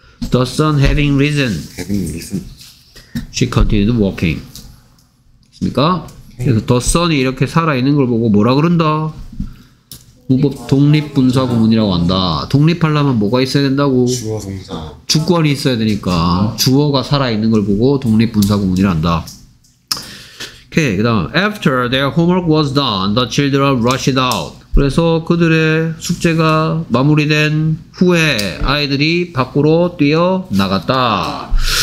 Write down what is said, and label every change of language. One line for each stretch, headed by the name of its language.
English: The sun having risen. She continued walking.
Korean: 됐습니까? 그래서 the sun이 이렇게 살아있는 걸 보고 뭐라 그런다? 문법 독립분사구문이라고 한다. 독립하려면 뭐가 있어야 된다고? 주어, 동사. 주권이 있어야 되니까. 주어가 살아있는 걸 보고 독립분사구문이라고 한다. 오케이. 그 다음.
English: After their homework was done, the children rushed out.
Korean: 그래서 그들의 숙제가 마무리된 후에 아이들이 밖으로 뛰어나갔다.